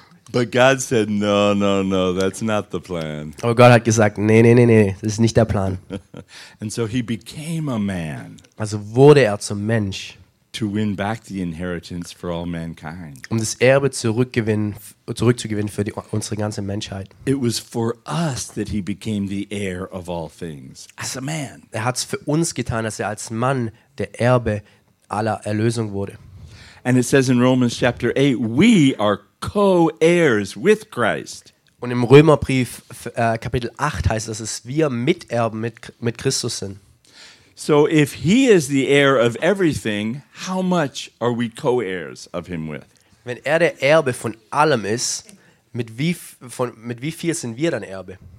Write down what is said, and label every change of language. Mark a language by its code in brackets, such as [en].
[en] But God said, no, no, no, that's not the plan. [de] Aber Gott hat gesagt, nee, nee, nee, nee, das ist nicht der Plan. [en] And so he became a man. [de] Also wurde er zum Mensch. [en] To win back the inheritance for all mankind. [de] Um das Erbe zurückzugewinnen für unsere ganze Menschheit. [en] It was for us that he became the heir of all things. As a man. [de] Er hat es für uns getan, dass er als Mann der Erbe aller Erlösung wurde. [en] And it says in Romans chapter 8, we are co-heirs with Christ. [de] Und im Römerbrief Kapitel 8 heißt es, dass wir Miterben mit Christus sind. [en] So if he is the heir of everything, how much are we co-heirs of him with? [de] Wenn er der Erbe von allem ist, mit wie viel sind wir dann Erbe?